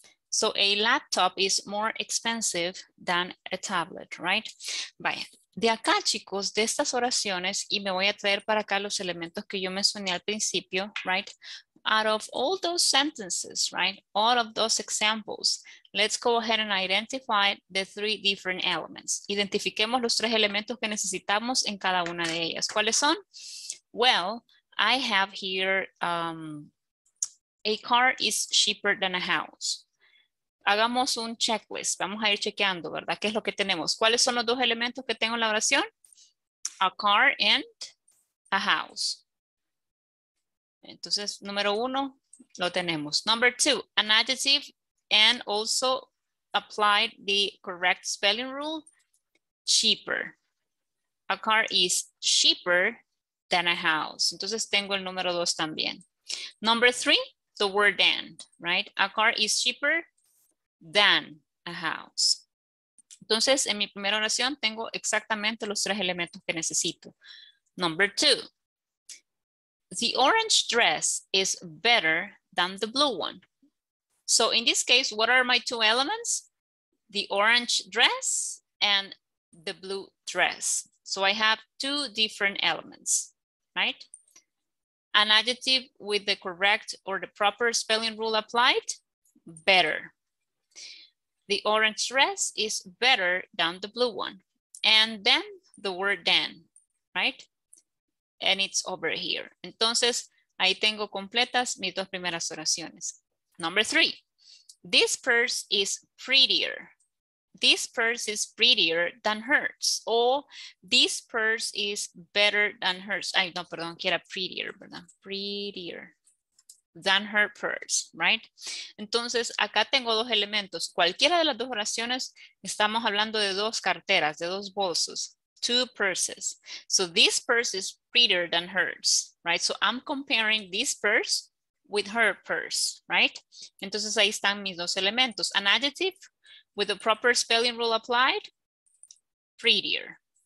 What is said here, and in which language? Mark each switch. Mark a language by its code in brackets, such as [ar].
[en] So a laptop is more expensive than a tablet, right? [es] Vaya, de acá, chicos, de estas oraciones, y me voy a traer para acá los elementos que yo mencioné al principio, right? [en] Out of all those sentences, right? All of those examples, let's go ahead and identify the three different elements. [es] Identifiquemos los tres elementos que necesitamos en cada una de ellas. ¿Cuáles son? [en] Well, I have here A car is cheaper than a house. [es] Hagamos un checklist. Vamos a ir chequeando, ¿verdad? ¿Qué es lo que tenemos? ¿Cuáles son los dos elementos que tengo en la oración? [en] A car and a house. [es] Entonces, número uno, lo tenemos. [en] Number two, an adjective and also apply the correct spelling rule. Cheaper. A car is cheaper than a house. [es] Entonces, tengo el número dos también. [en] Number three, the word and, right? A car is cheaper than a house. [es] Entonces, en mi primera oración, tengo exactamente los tres elementos que necesito. [en] Number two, the orange dress is better than the blue one. So in this case, what are my two elements? The orange dress and the blue dress. So I have two different elements, right? An adjective with the correct or the proper spelling rule applied, better. The orange dress is better than the blue one. And then the word then, right? And it's over here. [es] Entonces, ahí tengo completas mis dos primeras oraciones. [en] Number three, this purse is prettier. This purse is prettier than hers. Or this purse is better than hers. [es] Ay, no, perdón, que era prettier, ¿verdad? [en] Prettier than her purse, right? [es] Entonces, acá tengo dos elementos. Cualquiera de las dos oraciones, estamos hablando de dos carteras, de dos bolsos. [en] Two purses. So this purse is prettier than hers, right? So I'm comparing this purse with her purse, right? [es] Entonces ahí están mis dos elementos. [en] An adjective with the proper spelling rule applied, prettier.